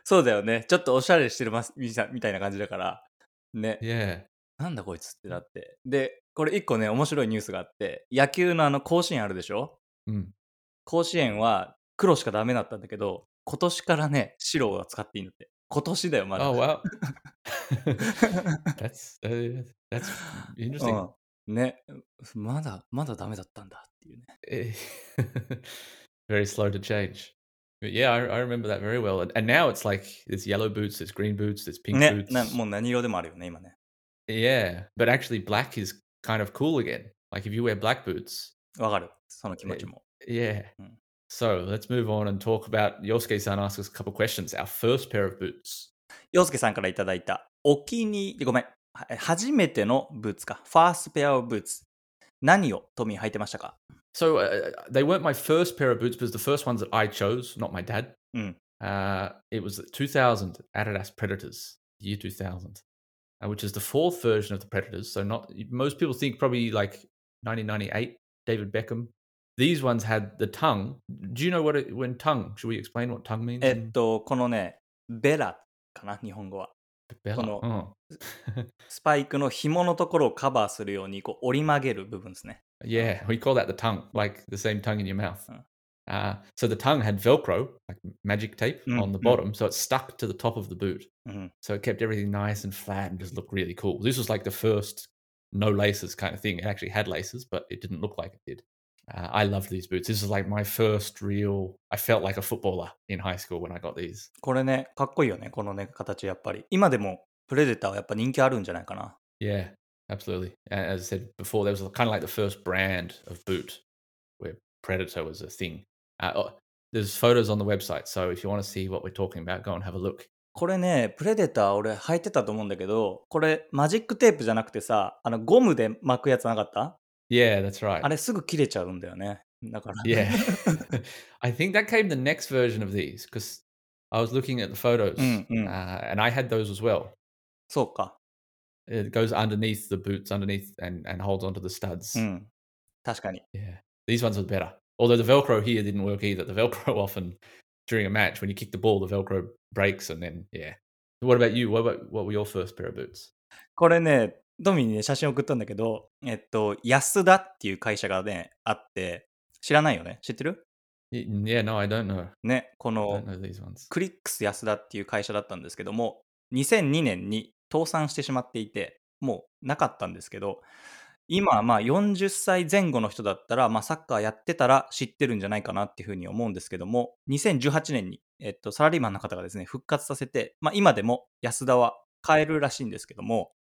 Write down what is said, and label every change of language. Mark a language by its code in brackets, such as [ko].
[ja] そうだよね。ちょっとおしゃれしてるみたいな感じだから。ね。 [en] Yeah. [ja] なんだこいつってなって。で、これ一個ね面白いニュースがあって、野球のあの甲子園あるでしょ、甲子園は黒しかダメだったんだけど、今年からね白を使っていいんだって。今年だよまだ。 [en] Oh, wow. That's interesting. [ja] ね、まだダメだったんだっていうね。 [en] Very slow to change. But yeah, I remember that very well. And now it's like there's yellow boots, there's green boots, there's pink boots. [ja] ね、もう何色でもあるよね今ね。 [en] Yeah, but actually black is... kind of cool again. Like if you wear black boots. [ja] わかる。その気持ちも。 [en] Yeah. So let's move on and talk about Yosuke-san asked us a couple questions. Our first pair of boots. [ja] Yosuke-san からいただいた、お気に、ごめん、初めてのブーツか。 [en] First pair of boots. [ja] 何をトミー履いてましたか？ [en] So, they weren't my first pair of boots, but the first ones that I chose, not my dad. It was 2000 Adidas Predators, year 2000, which is the fourth version of the Predators. So not, most people think probably like 1998, David Beckham. These ones had the tongue. Do you know what it, when tongue, should we explain what tongue means? [ja] このね、ベラかな、日本語は。ベラ、スパイクの紐のところをカバーするようにこう折り曲げる部分ですね。 [en] Yeah, we call that the tongue, like the same tongue in your mouth. So the tongue had Velcro, like magic tape, on the bottom, so it stuck to the top of the boot. So it kept everything nice and flat and just looked really cool. This was like the first no laces kind of thing. It actually had laces, but it didn't look like it did. I loved these boots. This was like my first real... I felt like a footballer in high school when I got these. [ja] これね、かっこいいよね、このね、形やっぱり。今でもプレデターはやっぱ人気あるんじゃないかな。 [en] Yeah, absolutely. As I said before, there was kind of like the first brand of boot where Predator was a thing. There's photos on the website, so if you want to see what we're talking about, go and have a look. [ja] これね、プレデター俺履いてたと思うんだけど、これマジックテープじゃなくてさ、あのゴムで巻くやつなかった？ [en] Yeah, that's right. [ja] あれすぐ切れちゃうんだよね。だから。 [en] Yeah. I think that came the next version of these, because I was looking at the photos, and I had those as well. [ja] そうか。 [en] It goes underneath the boots, underneath, and holds onto the studs. [ja] 確かに。 [en] Yeah. These ones are better. Although the Velcro here didn't work either. The Velcro often, during a match, when you kick the ball, the Velcro breaks, and then, yeah. What about you? What were your first pair of boots? [ja] これね、トミーに、ね、写真送ったんだけど、安田っていう会社がね、あって、知らないよね？知ってる？ [en] Yeah, no, I don't know. [ja] ね、この、クリックス安田っていう会社だったんですけども、2002年に倒産してしまっていて、もうなかったんですけど、今はまあ40歳前後の人だったら、まあサッカーやってたら知ってるんじゃないかなっていうふうに思うんですけども、2018年に、サラリーマンの方がですね、復活させて、まあ今でも安田は買えるらしいんですけども、